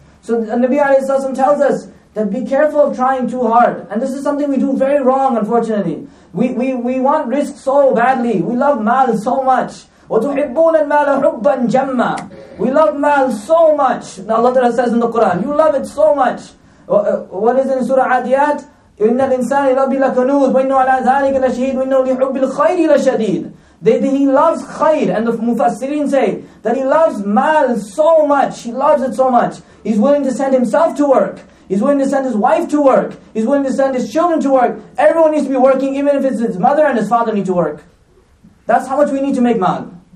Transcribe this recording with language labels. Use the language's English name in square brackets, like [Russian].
[English] So the Nabi alayhi salam tells us that be careful of trying too hard. And this is something we do very wrong, unfortunately. We want risk so badly. We love mal so much. [Arabic] وَتُحِبُّونَ الْمَالَ حُبًّا جَمَّا. [English] We love mal so much. Now Allah says in the Quran, you love it so much. What is it in Surah Adiyat? [Arabic] إن الإنسان لربه لكنود وإنه على ذلك لشهيد وإنه لحب الخير لشديد. [English] That he loves khair, and the Mufassirin say that he loves mal so much, he loves it so much, he's willing to send himself to work, he's willing to send his wife to work, he's willing to send his children to work. Everyone needs to be working, even if it's his mother and his father need to work. That's how much we need to make mal.